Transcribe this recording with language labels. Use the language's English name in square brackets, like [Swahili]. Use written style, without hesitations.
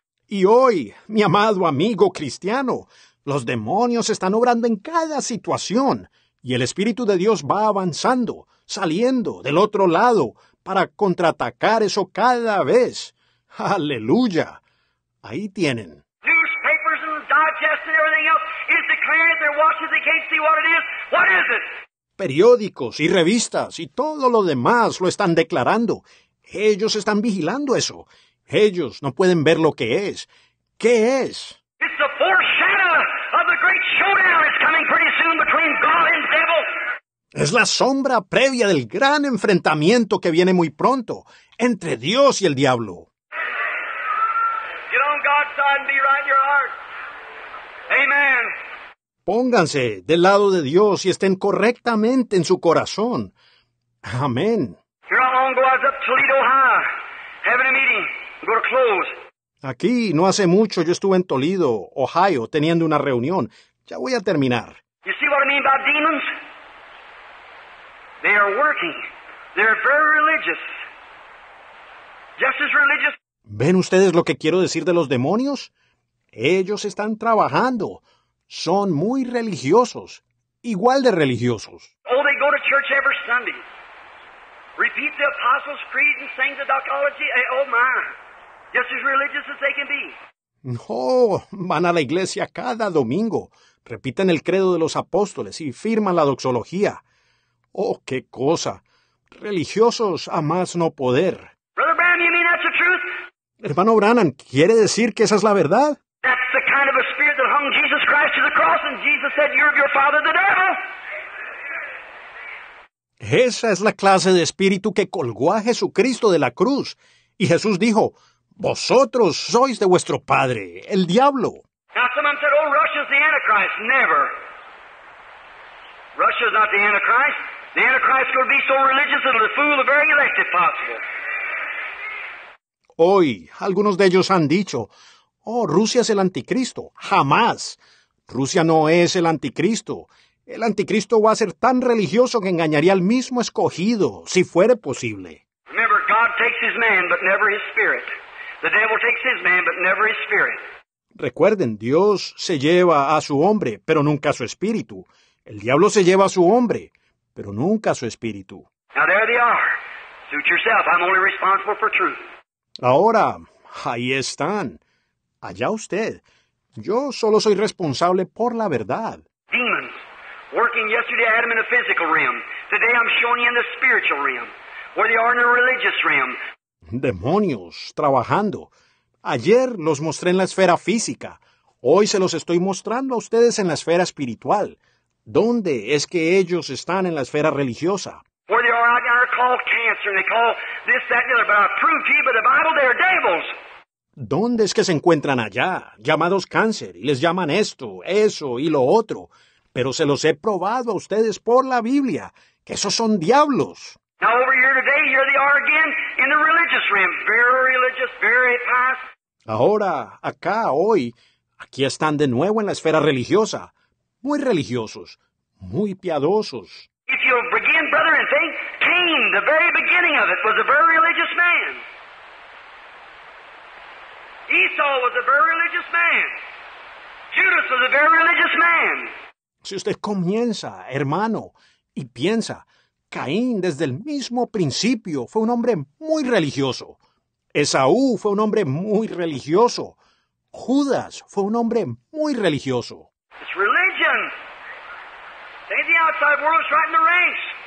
[Spanish] Y hoy, mi amado amigo cristiano, los demonios están obrando en cada situación, y el Espíritu de Dios va avanzando, saliendo del otro lado, para contraatacar eso cada vez. ¡Aleluya! Ahí tienen. [English] Newspapers and digests and everything else is declaring they're watching, they can't see what it is. What is it? [Spanish] Periódicos y revistas y todo lo demás lo están declarando. Ellos están vigilando eso. Ellos no pueden ver lo que es. ¿Qué es? [English] It's the foreshadow of the great showdown is coming pretty soon between God and devil. [Spanish] Es la sombra previa del gran enfrentamiento que viene muy pronto entre Dios y el diablo. [English] Get on God's side and be right in your heart. Amen. [Spanish] Pónganse del lado de Dios y estén correctamente en su corazón. Amén. [English] Here I'm going to go up to Toledo, Ohio, having a meeting. I'm going to close. [Spanish] Aquí, no hace mucho, yo estuve en Toledo, Ohio, teniendo una reunión. Ya voy a terminar. [English] You see what I mean by demons? They are working. They're very religious. Just as religious. [Spanish] ¿Ven ustedes lo que quiero decir de los demonios? Ellos están trabajando. Son muy religiosos. Igual de religiosos. [English] Oh, they go to church every Sunday. Repeat the Apostles' Creed and sing the doxology. Oh, my. Just as religious as they can be. [Spanish] No, van a la iglesia cada domingo. Repiten el credo de los apóstoles y firman la doxología. Oh, qué cosa. Religiosos a más no poder. [English] Brother Branham, you mean that's the truth? [Spanish] Hermano Branham, ¿quiere decir que esa es la verdad? [English] That's the kind of a spirit that hung Jesus Christ to the cross and Jesus said, you're of your father the devil. [Spanish] Esa es la clase de espíritu que colgó a Jesucristo de la cruz. Y Jesús dijo, vosotros sois de vuestro padre, el diablo. [English] Now someone said, oh, Russia's the Antichrist. Never. Russia's not the Antichrist. The Antichrist will be so religious it'll fool the very elect if possible. [Spanish] Hoy, algunos de ellos han dicho, oh, Rusia es el anticristo. Jamás. Rusia no es el anticristo. El anticristo va a ser tan religioso que engañaría al mismo escogido, si fuere posible. [English] Remember, God takes his man, but never his spirit. The devil takes his man, but never his spirit. [Spanish] Recuerden, Dios se lleva a su hombre, pero nunca a su espíritu. El diablo se lleva a su hombre, pero nunca a su espíritu. [English] Now there they are. Suit yourself. I'm only responsible for truth. [Spanish] Ahora, ahí están. Allá usted. Yo solo soy responsable por la verdad. [English] Demons. Working yesterday, I had them in the physical realm. Today, I'm showing you in the spiritual realm, where they are in the religious realm. [Spanish] Demonios trabajando. Ayer los mostré en la esfera física. Hoy se los estoy mostrando a ustedes en la esfera espiritual. ¿Dónde es que ellos están en la esfera religiosa? [English] Where they are, I call cancer, and they call this, that, and the other, but I prove to you by the Bible, they are devils. [Spanish] ¿Dónde es que se encuentran allá, llamados cáncer, y les llaman esto, eso y lo otro? Pero se los he probado a ustedes por la Biblia, que esos son diablos. [English] Now over here today, here they are again, in the religious realm, very religious, very pious. [Spanish] Ahora, acá, hoy, aquí están de nuevo en la esfera religiosa. Muy religiosos, muy piadosos. [English] If you begin, brother, and think, Cain, the very beginning of it, was a very religious man. Esau was a very religious man. Judas was a very religious man. [Spanish] Si usted comienza, hermano, y piensa, Caín desde el mismo principio fue un hombre muy religioso. Esaú fue un hombre muy religioso. Judas fue un hombre muy religioso. [English] It's religion. Say the outside world is right in the ranks.